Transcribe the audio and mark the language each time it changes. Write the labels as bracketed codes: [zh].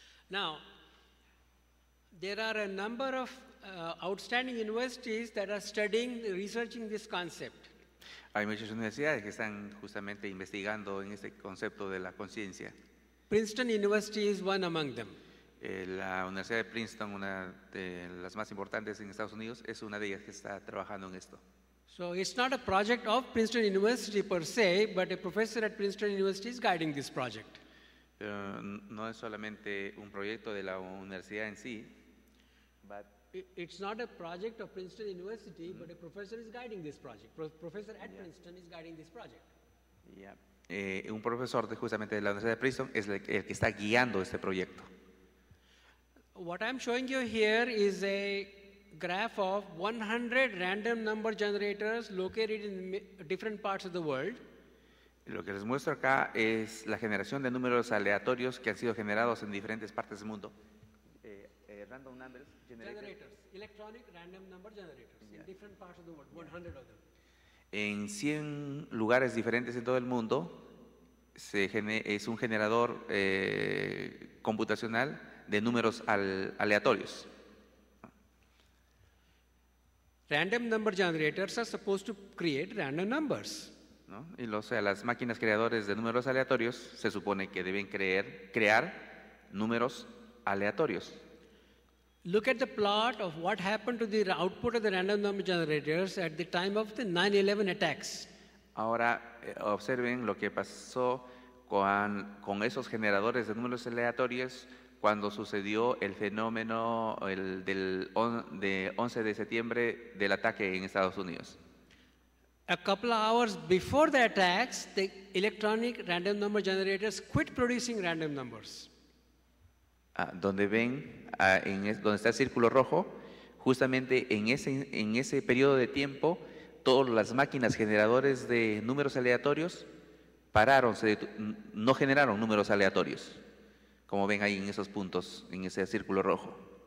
[en] Now, there are a number of outstanding universities that are studying, researching this concept. [es] Hay muchas universidades que están justamente investigando en este concepto de la conciencia. [en] Princeton University is one among them. [es] La Universidad de Princeton, una de las más importantes en Estados Unidos, es una de ellas que está trabajando en esto. [en] So it's not a project of Princeton University per se, but a professor at Princeton University is guiding this project. [es] Pero no es solamente un proyecto de la universidad en sí. [en] But it's not a project of Princeton University, but a professor is guiding this project. Professor at Princeton is guiding this project. Yeah. [es] Un profesor de justamente de la Universidad de Princeton es el que está guiando este proyecto. [en] What I'm showing you here is a graph of 100 random number generators located in different parts of the world. [es] Lo que les muestro acá es la generación de números aleatorios que han sido generados en diferentes partes del mundo. [en] Random numbers generators. Electronic random number generators in different parts of the world, 100 of them. [es] En 100 lugares diferentes en todo el mundo, es un generador computacional de números aleatorios. [en] Random number generators are supposed to create random numbers. [es] ¿No? Y las máquinas creadoras de números aleatorios se supone que deben crear números aleatorios. [en] Look at the plot of what happened to the output of the random number generators at the time of the 9/11 attacks. [es] Ahora observen lo que pasó con esos generadores de números aleatorios cuando sucedió el fenómeno de 11 de septiembre del ataque en Estados Unidos. [en] A couple of hours before the attacks, the electronic random number generators quit producing random numbers. [es] Donde ven, donde está el círculo rojo, justamente en ese periodo de tiempo, todas las máquinas generadoras de números aleatorios pararon, no generaron números aleatorios, como ven ahí en esos puntos, en ese círculo rojo.